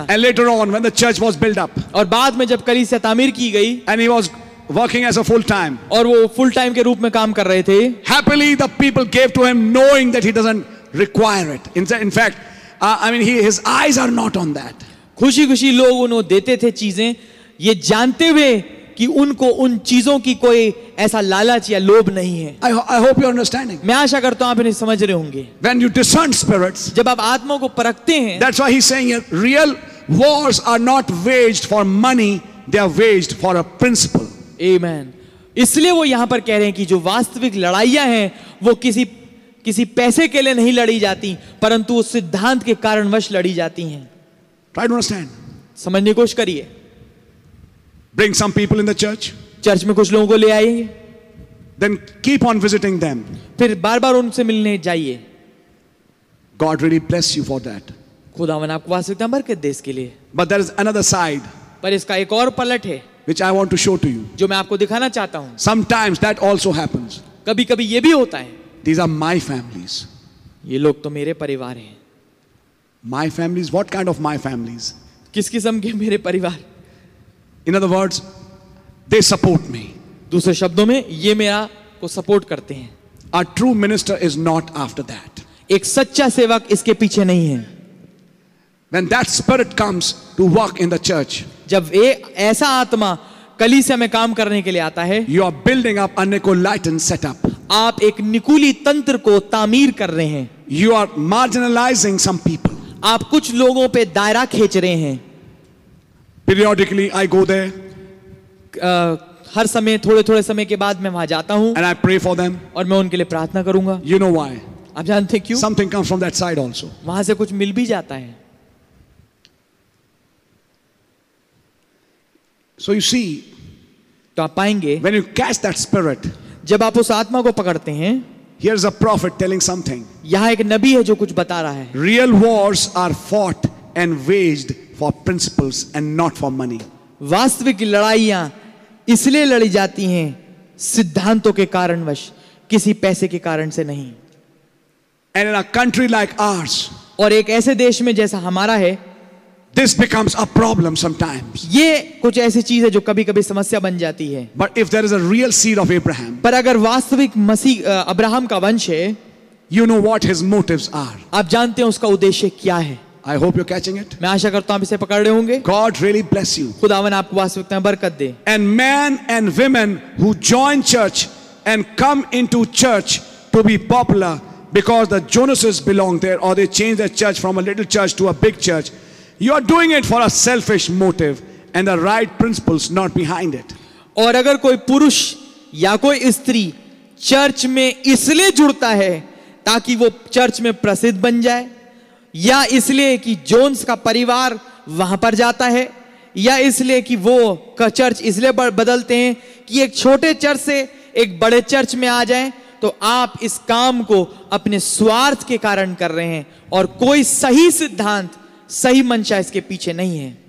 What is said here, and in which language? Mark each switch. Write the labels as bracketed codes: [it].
[en] and later on when the church was built up [hi] aur baad mein jab kalisya taameer ki gayi [en] and he was working as a full time [hi] aur wo full time ke roop mein kaam kar rahe the [en] happily the people gave to him knowing that he doesn't require it in fact his eyes are not on that [hi] khushi khushi log unko dete the cheeze ye jante hue कि उनको उन चीजों की कोई ऐसा लालच या लोभ नहीं है [en] I hope you're understanding. [hi] मैं आशा करता हूं आप इन्हें समझ रहे होंगे [en] When you discern spirits, [hi] जब आप आत्मों को परखते हैं [en] That's why he's saying here, real wars are not waged for money, they are waged for a principle. Amen. [hi] इसलिए वो यहां पर कह रहे हैं कि जो वास्तविक लड़ाइयां हैं वो किसी पैसे के लिए नहीं लड़ी जाती परंतु उस सिद्धांत के कारणवश लड़ी जाती हैं [en] Try to understand. [hi] समझने की कोशिश करिए [en] Bring some people in the church. [hi] Church में कुछ लोगों को ले आइए. [en] Then keep on visiting them. [hi] फिर बार-बार उनसे मिलने जाइए. [en] God really bless you for that. [hi] खुदावन आपको वास्तविकता बरकत दे इसके लिए. [en] But there is another side. [hi] पर इसका एक और पलट है. [en] Which I want to show to you. [hi] जो मैं आपको दिखाना चाहता हूँ. [en] Sometimes that also happens. [hi] कभी-कभी ये भी होता है. [en] These are my families. [hi] ये लोग तो मेरे परिवार हैं. [en] My families. What kind of my families? [hi] किस किस्म के मेरे परिवार? [en] In other words, they support me. [hi] दूसरे शब्दों में ये मेरा को सपोर्ट करते हैं. [en] A true minister is not after that. [hi] एक सच्चा सेवक इसके पीछे नहीं है. [en] When that spirit comes to work in the church, [hi] जब ये ऐसा आत्मा कलीसिया में काम करने के लिए आता है, [en] you are building up a Nicolaitan setup. [hi] आप एक निकुली तंत्र को तामीर कर रहे हैं. [en] You are marginalizing some people. [hi] आप कुछ लोगों पे दायरा खींच रहे हैं. [en] Periodically I go there. [hi] हर समय थोड़े थोड़े समय के बाद मैं वहां जाता हूं. [en] And I pray for them. [hi] और मैं उनके लिए प्रार्थना करूंगा. [en] You know why. [hi] आप जानते क्यों? [en] Something comes from that side also. [hi] वहां से कुछ मिल भी जाता है. [en] So you see, [hi] तो आप पाएंगे, [en] when you catch that spirit, [hi] जब आप उस आत्मा को पकड़ते हैं, [en] here's a prophet telling something. [hi] यहाँ एक नबी है जो कुछ बता रहा है. [en] Real wars are fought and waged for principles and not for money. [hi] वास्तविक लड़ाइयाँ इसलिए लड़ी जाती हैं सिद्धांतों के कारणवश, किसी पैसे के कारण से नहीं. [en] And in a country like ours, [hi] और एक ऐसे देश में जैसा हमारा है, [en] this becomes a problem sometimes. [hi] ये कुछ ऐसी चीज है जो कभी कभी समस्या बन जाती है. [en] But if there is a real seed of Abraham, [hi] पर अगर वास्तविक मसीह अब्राहम का वंश है, [en] you know what his motives are. [hi] आप जानते हैं उसका उद्देश्य क्या है. [en] I hope you're catching it. [hi] मैं आशा करता हूं आप इसे पकड़ रहे होंगे. [en] God really bless you. [hi] खुदावन आपको वास्तविकता में बरकत दे. [en] And men and women who join church and come into church to be popular because the Jonases belong there or they change their church from a little church to a big church. You are doing it for a selfish motive and the right principles not behind it. [hi] और अगर कोई पुरुष या कोई स्त्री church में इसलिए जुड़ता है ताकि वो चर्च में प्रसिद्ध बन जाए, या इसलिए कि जोन्स का परिवार वहां पर जाता है, या इसलिए कि वो चर्च इसलिए बदलते हैं कि एक छोटे चर्च से एक बड़े चर्च में आ जाए, तो आप इस काम को अपने स्वार्थ के कारण कर रहे हैं और कोई सही सिद्धांत सही मंशा इसके पीछे नहीं है.